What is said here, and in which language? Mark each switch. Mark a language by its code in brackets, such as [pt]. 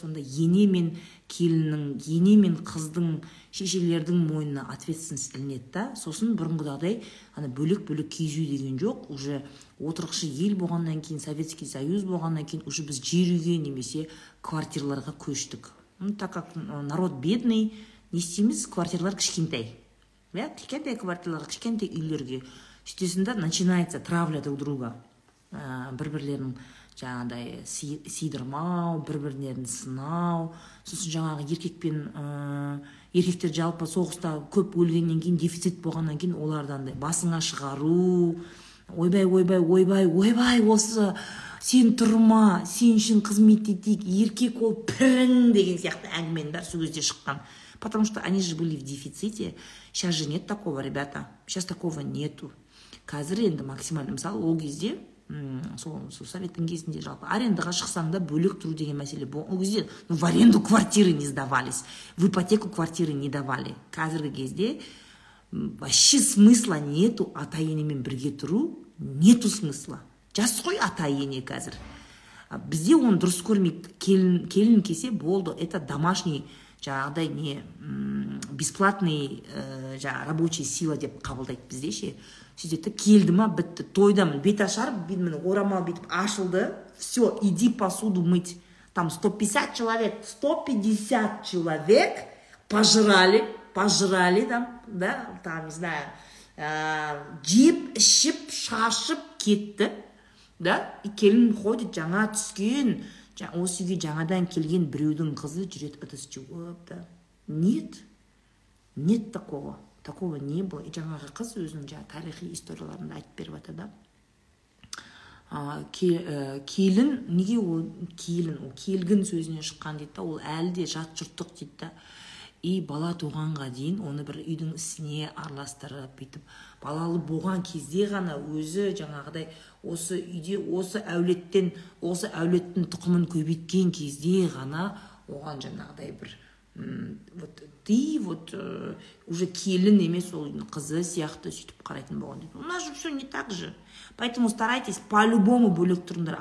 [kk] Сонда ене мен келіннің, ене мен қыздың, шешелердің мойнына ответственность ілінеді. Сосын бұрынғыдай бөлік-бөлік киіз үй деген жоқ. Уже отырықшы ел болғаннан кейін, Советский Союз болғаннан кейін, уже біз жер үйге немесе квартирларға көштік. [ru] Так как народ бедный, [kk] не істейміз, квартирлар кішкентай. Кішкентай квартирларға, кішкентай үйлерге. [ru] Сөйтесінде начинается травля друг друга. [kk] Бір-бірлерін жаңағыдай сидырмау, бір-бірлерін сынау. Сосын жаңағы еркекпен еркектер жалпы соғыста көп өлгеннен кейін, дефицит болғаннан кейін олардан да басыңа шығару. Ойбай, ойбай, ойбай, ойбай, осы сен тұрма, сен үшін қызмет етейік, еркек ол пірін деген сияқты әңгімен бәрі сол кезде шыққан. [ru] Потому что они же были в дефиците. Сейчас же нет такого, ребята. Сейчас такого нету. [kk] Қазір енді максимально, мысалы, ол кезде сол советтің кезінде жалпы арендаға шықсаң да бөлек тұру деген мәселе ол кезде [ru] в аренду квартиры не сдавались, в ипотеку квартиры не давали. [kk] Қазіргі кезде [ru] вообще смысла нету [kk] ата енемен бірге тұру, [ru] нету смысла. [kk] Жас қой ата ене қазір. Бізде оны дұрыс көрмейді. Келін келсе болды, [ru] это домашний [kk] жаңағыдай не бесплатный жаңағы [ru] рабочая сила [kk] деп қабылдайды бізде ше. Сөйтеді, келді ма, бітті, тойдамын, бет ашар, бетімін орамал бетіп ашылды, [ru] все, иди посуду мыть, там 150 человек, 150 человек пожрали, там, да, там, не знаю, [kk] жеп, ішіп, шашып кетті, да, и келін ходит, жаңа түскен, осы үйге жаңадан келген біреудің қызы жүреді ыдыс жуып, да. [ru] Нет, нет такого, такого не было. [kk] И жаңағы қыз өзінің жаңа тарихи историяларын айтып беріп атады, да. Келін, неге ол келін, ол келгін сөзінен шыққан дейді, ол әлі де жат жұрттық дейді, да. И бала туғанға дейін оны бір үйдің ісіне араластырып бүйтіп балалы болған кезде ғана өзі жаңағыдай осы үйде осы әулеттен осы әулеттің тұқымын көбейткен кезде ғана оған жаңағыдай бір [ru] вот ты вот уже [kk] келін емес ол үйдің қызы сияқты сөйтіп қарайтын болған дейді. [ru] У нас же все не так же, поэтому старайтесь по-любому [kk] бөлек тұрыңдар.